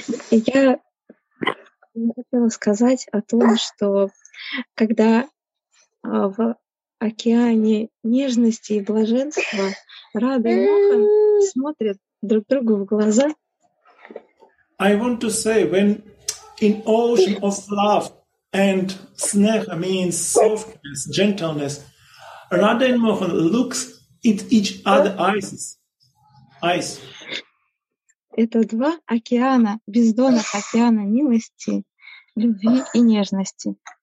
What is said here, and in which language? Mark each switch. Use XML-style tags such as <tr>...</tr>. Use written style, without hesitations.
<ru>Я хотела сказать о том, что когда в океане нежности и блаженства Рада и Мохан смотрят друг другу в глаза.</ru> <en>I want to say when in ocean of love and sneha means softness, gentleness. Radha and Mohan looks at each other eyes.</en> <ru>Это два океана, бездонных океана милости, любви и нежности.</ru>